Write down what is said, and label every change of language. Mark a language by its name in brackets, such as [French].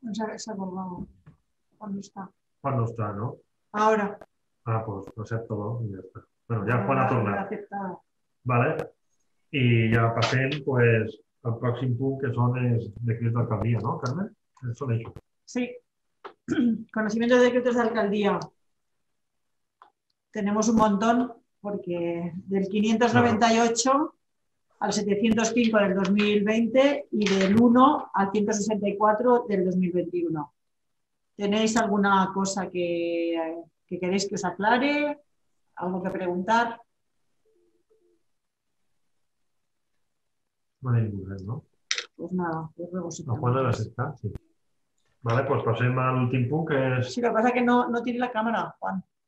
[Catalan] No sé si vol quan no està. Quan no està, no? Ara. Ah, doncs, pues, accepto, no? I ja està. Bueno, ja quan ha tornat. Vale? I ja passem, doncs, pues, el pròxim punt, que són els decrets d'alcaldia, no, Carmen? Són això. Sí. [Spanish] Conocimiento de decretos de alcaldía. Tenemos un montón, porque del 598 claro. al 705 del 2020 y del 1 al 164 del 2021. ¿Tenéis alguna cosa que queréis que os aclare? ¿Algo que preguntar? No hay ninguna, ¿no? Pues nada, pues luego sí. ¿A cuál de las está? Sí. [Catalan] Vale, pues pasem al últim punt, que és... Sí, però passa que [Spanish] no tiene [Catalan] la càmera, Juan.